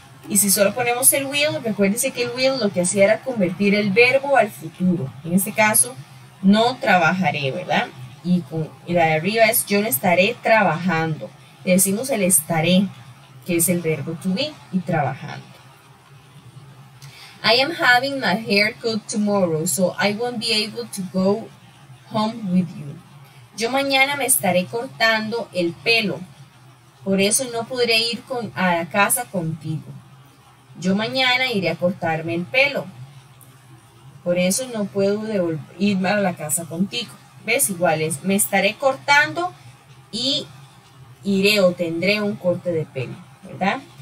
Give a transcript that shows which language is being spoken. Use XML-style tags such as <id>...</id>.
<es>Y si solo ponemos el will, recuérdese que el will lo que hacía era convertir el verbo al futuro. En este caso, no trabajaré, ¿verdad? Y la de arriba es yo no estaré trabajando. Le decimos el estaré, que es el verbo to be, y trabajando.</es> <en>I am having my hair cut tomorrow, so I won't be able to go home with you.</en> <es>Yo mañana me estaré cortando el pelo, por eso no podré ir a la casa contigo. Yo mañana iré a cortarme el pelo, por eso no puedo irme a la casa contigo. ¿Ves? Igual es, me estaré cortando y iré o tendré un corte de pelo, ¿verdad?</es>